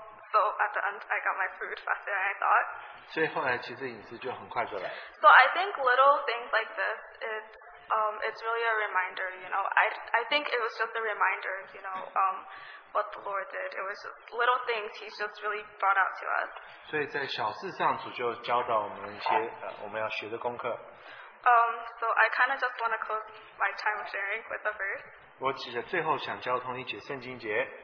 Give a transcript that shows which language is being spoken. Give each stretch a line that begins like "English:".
English: so at the end, I got my food faster than I thought.
Chinese: 所以后来其实饮食就很快就来。
English: So I think little things like this is, it's really a reminder, you know. I think it was just a reminder, you know, what the Lord did. It was just little things He's just really brought out to us.
Chinese: 所以在小事上，主就教导我们一些我们要学的功课。
English: So I kind of just want to close my time sharing with a verse.
Chinese: 我只是最后想交通一节圣经节。